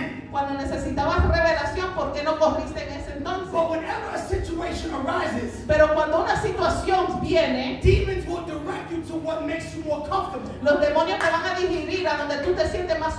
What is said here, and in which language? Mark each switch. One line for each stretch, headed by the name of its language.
Spanish: Cuando necesitabas revelación, ¿por qué no corriste en ese entonces?
English: But whenever a situation arises,
Spanish: pero cuando una situación viene,
English: demons will direct you to what makes you more comfortable.
Spanish: Los demonios te van a dirigir a donde tú te sientes más